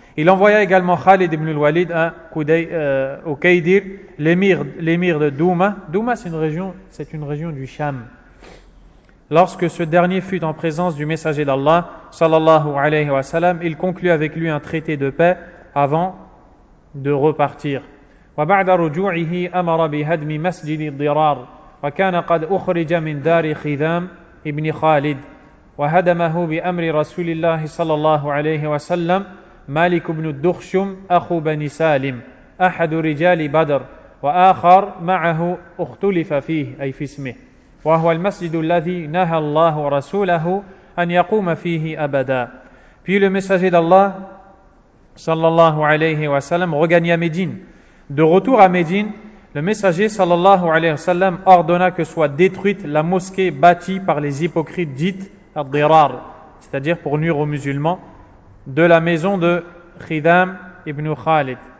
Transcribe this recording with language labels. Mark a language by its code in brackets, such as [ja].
[fr] Il envoya également Khalid ibn al-Walid au Kaydir, l'émir de Douma. Douma, c'est une région du Sham. Lorsque ce dernier fut en présence du messager d'Allah, sallallahu alayhi wa sallam, il conclut avec lui un traité de paix avant de repartir. [ar] وبعد رجوعه أمر بهدم مسجد الضرار وكان قد أخرج من دار خذام ابن خالد وهدمه بأمر رسول الله صلى الله عليه وسلم مالك بن الدخشم أخو بني سالم أحد رجال بدر وآخر معه اختلف فيه أي في اسمه وهو المسجد الذي نهى الله ورسوله أن يقوم فيه أبدا. [fr] Puis le messager d'Allah صلى الله عليه وسلم regagna Médine. De retour à Médine, le messager sallallahu alayhi wa sallam ordonna que soit détruite la mosquée bâtie par les hypocrites dites al-dirar, c'est-à-dire pour nuire aux musulmans, de la maison de Khidam ibn Khalid.